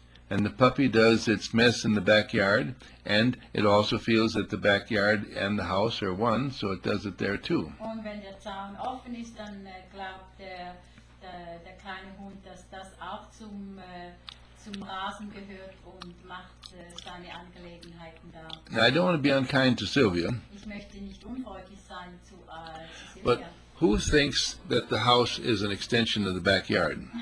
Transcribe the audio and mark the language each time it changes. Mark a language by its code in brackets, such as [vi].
[en] and the puppy does its mess in the backyard, and it also feels that the backyard and the house are one, so it does it there too. [de] Und wenn der Zaun offen ist, dann glaubt der kleine Hund, dass das auch zum Rasen gehört und macht seine Angelegenheiten da. [en] Now, I don't want to be unkind to Sylvia. [de] Ich möchte nicht unfreundlich sein zu Sylvia. [en] But who thinks that the house is an extension of the backyard?